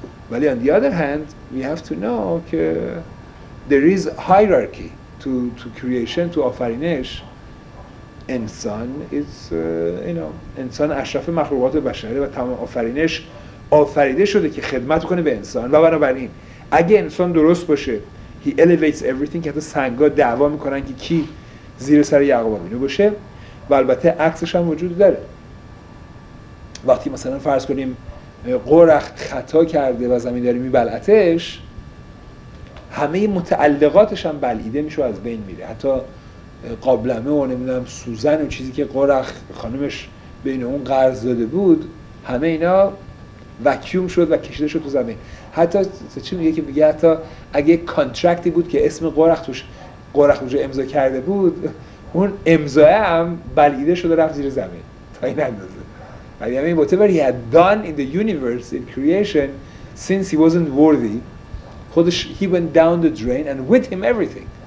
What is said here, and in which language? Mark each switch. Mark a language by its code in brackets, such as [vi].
[en] ولی on the other hand, we have to know که there is hierarchy to creation, to آفرینش. [fa] انسان is انسان اشرف مخلوقات بشره و تمام آفرینش آفریده شده که خدمت کنه به انسان. و بنابراین اگه انسان درست باشه [en] he elevates everything، [fa] که حتی سنگا دعوا میکنن که کی زیر سر یعقوب اینو باشه، و البته عکسش هم وجود داره. وقتی مثلا فرض کنیم قرخ خطا کرده و زمین داره میبلعتش، همه متعلقاتش هم بلعیده میشه و از بین میره، حتی قابلمه و نمیدونم سوزن و چیزی که قرخ خانمش بین اون قرض داده بود، همه اینا وکیوم شد و کشیده شد تو زمین. حتی چی میگه که بگه حتی اگه کانترکتی بود که اسم قرخ توش امضا کرده بود، اون امضای هم بلعیده شد و رفت زیر زمین تا این اندازه. [en] ولی همه whatever he had done in the universe in creation since he wasn't worthy، خودش he went down the drain and with him everything.